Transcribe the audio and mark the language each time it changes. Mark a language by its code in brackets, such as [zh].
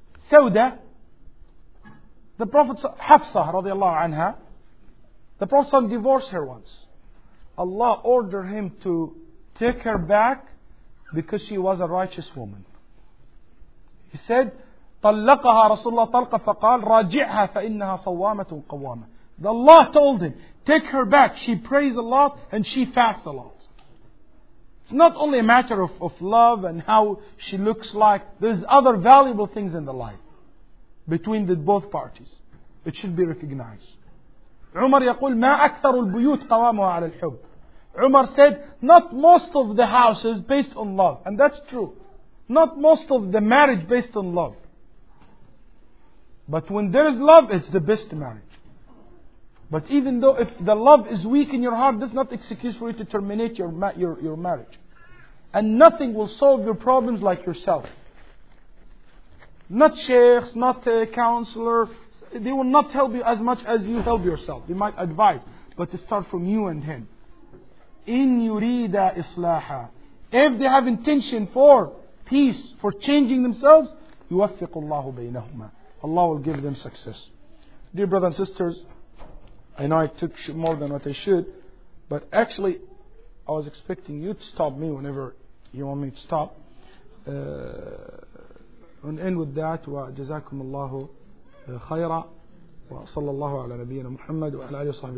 [en] Sauda, the Prophet Hafsa radiallahu anha, the Prophet divorced her once. Allah ordered him to take her back because she was a righteous woman. He said, [ar] طَلَّقَهَا رَسُولُ اللَّهِ طَلْقَ فَقَالَ رَاجِعْهَا فَإِنَّهَا صَوَّامَةٌ قَوَّامَةٌ. [en] Allah told him, take her back. She prays a lot and she fasts a lot. It's not only a matter of love and how she looks like. There's other valuable things in the life between the both parties. It should be recognized. [ar] Umar يقول ما أكثر البيوت قوامها على الحب. [en] Umar said, not most of the houses based on love. And that's true. Not most of the marriage based on love. But when there is love, it's the best marriage. But even though if the love is weak in your heart, that's not excuse for you to terminate your marriage. And nothing will solve your problems like yourself. Not sheikhs, not a counselor. They will not help you as much as you help yourself. They might advise, but to start from you and him. [ar] In yurida islaha, [en] if they have intention for peace, for changing themselves, [ar] يُوَفِّقُ اللَّهُ بَيْنَهُمَا. [en] Allah will give them success. Dear brothers and sisters, I know I took more than what I should, but actually I was expecting you to stop me whenever you want me to stop. And end with that. [ar] وَجَزَاكُمُ اللَّهُ خيرا وصلى الله على نبينا محمد وعلى آله وصحبه.